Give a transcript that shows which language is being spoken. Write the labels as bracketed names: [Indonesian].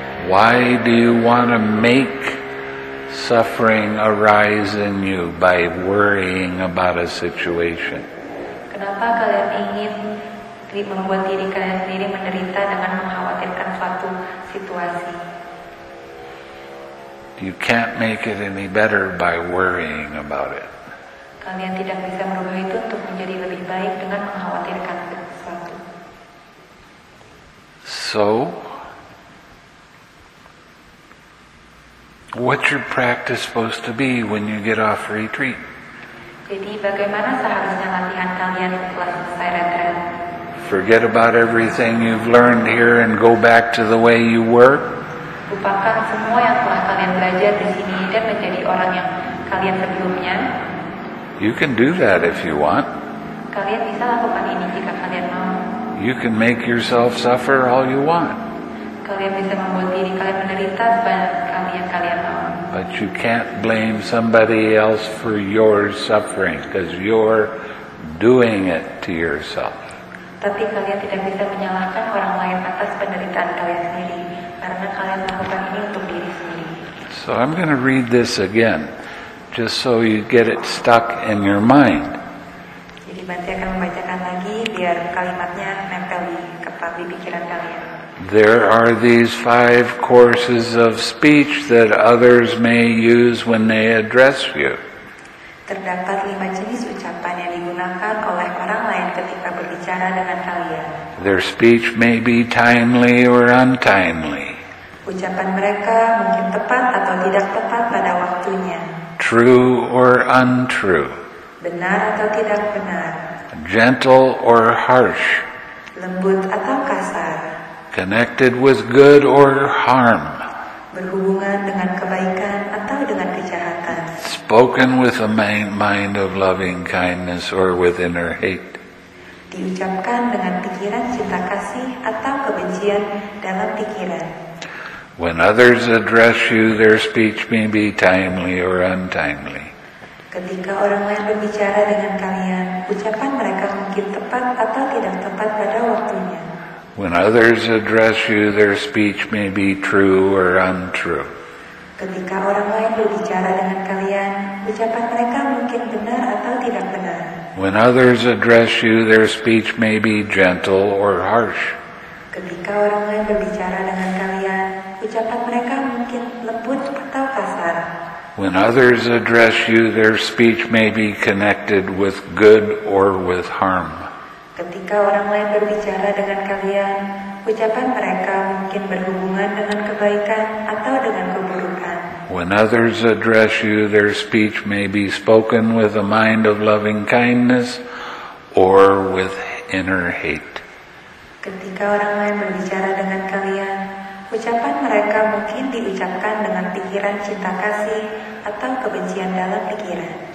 [English] Why do you want to make suffering arise in you by worrying about a situation? [Indonesian] Kenapa kalian ingin membuat diri kalian sendiri menderita dengan mengkhawatirkan suatu situasi? [English] You can't make it any better by worrying about it. [Indonesian] Kalian tidak bisa merubah itu untuk menjadi lebih baik dengan mengkhawatirkan sesuatu. [English] So, what's your practice supposed to be when you get off retreat? [Indonesian] Jadi bagaimana seharusnya latihan kalian setelah selesai retret? [English] Forget about everything you've learned here and go back to the way you were. [Indonesian] Lupakan semua yang telah kalian belajar di sini dan menjadi orang yang kalian sebelumnya. [English] You can do that if you want. [Indonesian] Kalian bisa lakukan ini jika kalian mau. [English] You can make yourself suffer all you want. [Indonesian] Kalian bisa membuat diri kalian menderita sebanyak kalian mau. [English] But you can't blame somebody else for your suffering because you're doing it to yourself. [Indonesian] Tapi kalian tidak bisa menyalahkan orang lain atas penderitaan kalian sendiri karena kalian melakukan ini untuk diri sendiri. [English] So I'm going to read this again just so you get it stuck in your mind. [Indonesian] Jadi nanti akan membacakan lagi biar kalimatnya nempel di kepala di pikiran kalian. [English] There are these five courses of speech that others may use when they address you. [Indonesian] Terdapat lima jenis ucapan yang digunakan oleh orang lain ketika berbicara dengan kalian. [English] Their speech may be timely or untimely. [Indonesian] Ucapan mereka mungkin tepat atau tidak tepat pada waktunya. [English] True or untrue. [Indonesian] Benar atau tidak benar. [English] Gentle or harsh. [Indonesian] Lembut atau kasar. [English] Connected with good or harm. [Indonesian] Berhubungan dengan kebaikan atau dengan kejahatan. [English] Spoken with a mind of loving kindness or with inner hate. [Indonesian] Diucapkan dengan pikiran cinta kasih atau kebencian dalam pikiran. [English] When others address you, their speech may be timely or untimely. [Indonesian] Ketika orang lain berbicara dengan kalian, ucapan mereka mungkin tepat atau tidak tepat pada waktunya. [English] When others address you, their speech may be true or untrue. [Indonesian] Ketika orang lain berbicara dengan kalian, ucapan mereka mungkin benar atau tidak benar. [English] When others address you, their speech may be gentle or harsh. [Indonesian] Ketika orang lain berbicara dengan kalian, ucapan mereka mungkin lembut atau kasar. [English] When others address you, their speech may be connected with good or with harm. [Indonesian] Ketika orang lain berbicara dengan kalian, ucapan mereka mungkin berhubungan dengan kebaikan atau dengan keburukan. [English] When others address you, their speech may be spoken with a mind of loving kindness or with inner hate. [Indonesian] Ketika orang lain berbicara dengan kalian, ucapan mereka mungkin diucapkan dengan pikiran cinta kasih atau kebencian dalam pikiran.